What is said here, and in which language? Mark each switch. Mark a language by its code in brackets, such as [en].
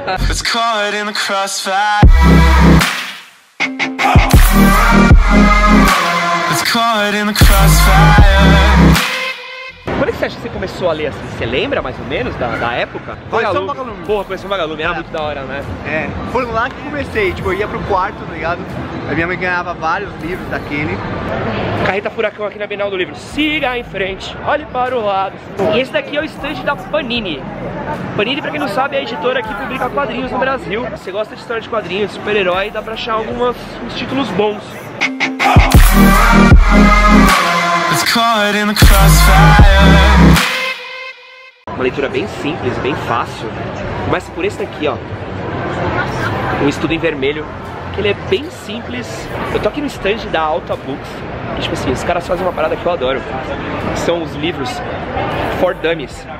[en] It's caught in the crossfire. It's caught in the crossfire. [pt] Quando é que você acha que você começou a ler assim? Você lembra mais ou menos da época? Vagalume. Começou o Vagalume. Porra, começou o Vagalume, era muito da hora, né? É, foi lá que comecei, tipo, eu ia pro quarto, tá ligado? A minha mãe ganhava vários livros daquele. Carreta Furacão aqui na Bienal do Livro. Siga em frente, olhe para o lado. E esse daqui é o estande da Panini. Panini, pra quem não sabe, é a editora que publica quadrinhos no Brasil. Você gosta de história de quadrinhos, super-herói, dá pra achar alguns títulos bons. [en] It's caught in the crossfire. [pt] Uma leitura bem simples, bem fácil. Começa por esse daqui, ó. O Estudo em Vermelho. Ele é bem simples. Eu tô aqui no stand da Alta Books. E, tipo assim, os caras fazem uma parada que eu adoro. São os livros For Dummies.